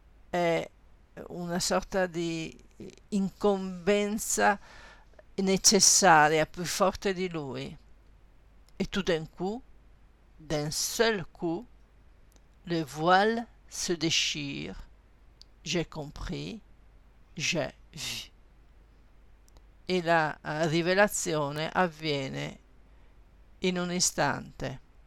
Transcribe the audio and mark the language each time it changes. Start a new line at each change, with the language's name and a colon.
Italian: È una sorta di incombenza necessaria, più forte di lui.
French: E tout d'un coup, d'un seul coup, le voile se déchire. J'ai compris, j'ai vu.
Italian: E la rivelazione avviene in un istante.